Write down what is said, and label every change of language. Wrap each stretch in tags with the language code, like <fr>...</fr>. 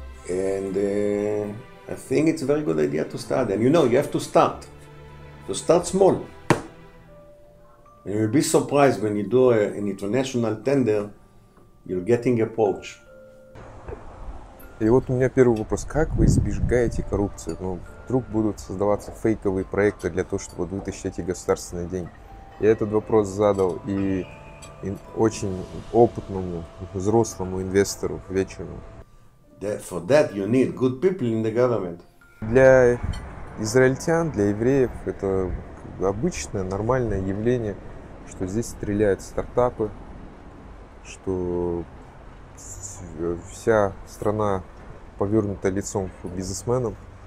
<en>And I think it's a very good idea to start. And you know, you have to start. So start small. And you'll be surprised when you do an international tender, you're getting approach.</en> <ru>И вот у меня первый вопрос. Как вы избегаете коррупции? Ну, вдруг будут создаваться фейковые проекты для того, чтобы вытащить эти государственные деньги? Я этот вопрос задал и очень опытному, взрослому инвестору вечером.</ru> <en>For that you need good people in the government.</en> <ru>Для израильтян, для евреев это обычное, нормальное явление, что здесь стреляют стартапы, что вся страна повернута лицом к бизнесменам.</ru>